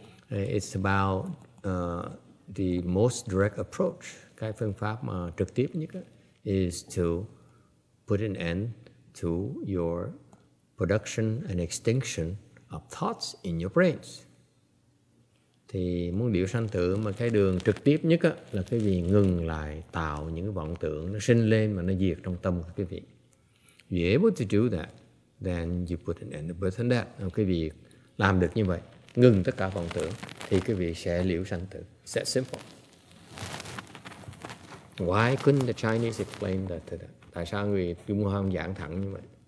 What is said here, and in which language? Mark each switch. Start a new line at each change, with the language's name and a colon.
English: It's about the most direct approach,
Vietnamese: cái phương pháp mà trực tiếp nhất đó,
English: is to put an end to your production and extinction of thoughts in your brains.
Vietnamese: Thì muốn liệu sanh tử mà cái đường trực tiếp nhất đó, là cái gì ngừng lại tạo những cái vọng tưởng nó sinh lên mà nó diệt trong tâm của cái vị.
English: If you're able to do that, then you put an end to birth and death.
Vietnamese: Nếu quý vị làm được như vậy, ngừng tất cả vọng tưởng, thì quý vị sẽ liễu sanh tử.
English: It's that simple. Why couldn't the Chinese explain that to them?
Vietnamese: Tại sao người Trung Hoa không giảng thẳng như vậy?